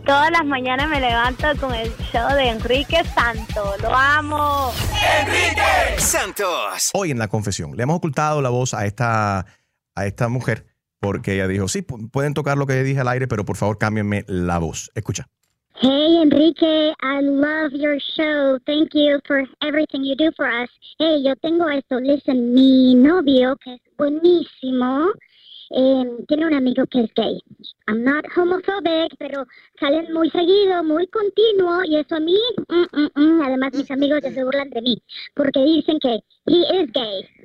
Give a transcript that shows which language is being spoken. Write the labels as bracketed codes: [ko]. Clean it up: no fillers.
[es] Todas las mañanas me levanto con el show de Enrique Santos. ¡Lo amo! ¡Enrique Santos! Hoy en La Confesión, le hemos ocultado la voz a esta mujer. Porque ella dijo, sí, pueden tocar lo que dije al aire, pero por favor cámbienme la voz. Escucha. [en] Hey, Enrique, I love your show. Thank you for everything you do for us. [es] Hey, yo tengo esto. [en] Listen, [es] mi novio, que es buenísimo, tiene un amigo que es gay. [en] I'm not homophobic, [es] pero salen muy seguido, muy continuo, y eso a mí, además mis amigos ya se burlan de mí, porque dicen que [en] he is gay.